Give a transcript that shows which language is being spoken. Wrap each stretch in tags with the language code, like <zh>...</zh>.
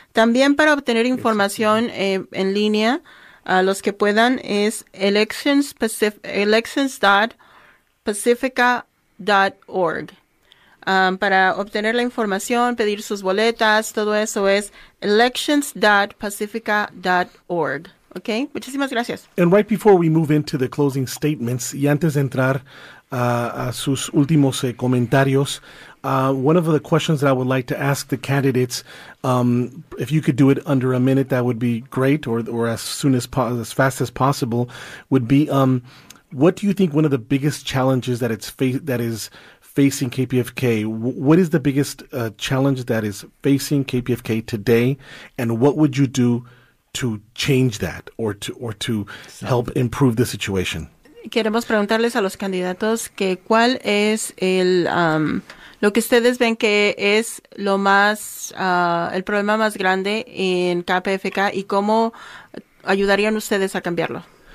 <es>También para obtener información en línea, a los que puedan, es elections.pacifica.org. Para obtener la información, pedir sus boletas, todo eso es elections.pacifica.org. Ok, muchísimas gracias.</es> <en>And right before we move into the closing statements,</en> <es>y antes de entrar a sus últimos comentarios,</es> <en>one of the questions that I would like to ask the candidates, if you could do it under a minute, that would be great, or as fast as possible, would be, what do you think one of the biggest challenges that is facing KPFK? What is the biggest challenge that is facing KPFK today, and what would you do to change that or to help improve the situation?</en> <es>Queremos preguntarles a los candidatos que cuál es el lo que ustedes ven que es lo más el problema más grande en KPFK y cómo ayudarían ustedes a cambiarlo.</es>